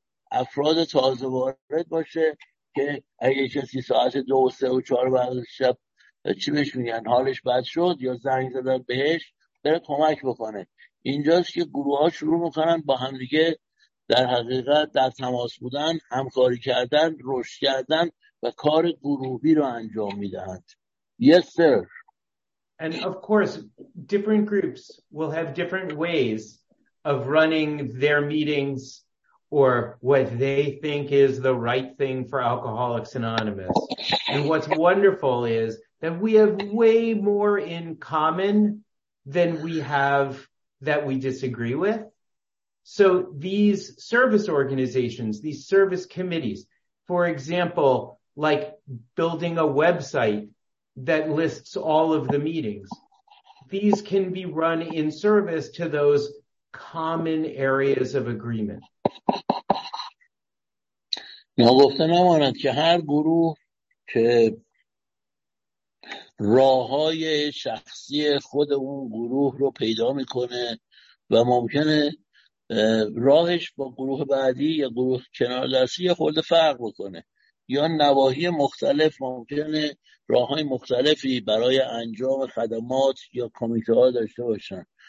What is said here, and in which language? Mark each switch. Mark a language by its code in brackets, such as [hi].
[fa] افراد تازه وارد باشه، که اگه کسی ساعت 2 و 3 و 4 بعد شب چی بهش میگن حالش بد شد یا زنگ زدن بهش بره کمک بکنه. اینجاست که گروه ها شروع میکنن با همدیگه در حقیقت در تماس بودن، همکاری کردن، رشد کردن و کار گروهی رو انجام میدهند. [en] Yes sir. And of course different groups will have different ways of running their meetings or what they think is the right thing for Alcoholics Anonymous. And what's wonderful is that we have way more in common than we have that we disagree with. So these service organizations, these service committees, for example, like building a website that lists all of the meetings, these can be run in service to those common areas of agreement. [fa] ناگفته نماند که هر گروه که راه‌های شخصی خود اون گروه رو پیدا میکنه و ممکنه راهش با گروه بعدی یا گروه کنار دستی خود فرق بکنه، یا نواحی مختلف ممکنه راه‌های مختلفی برای انجام خدمات یا کمیته ها داشته باشن،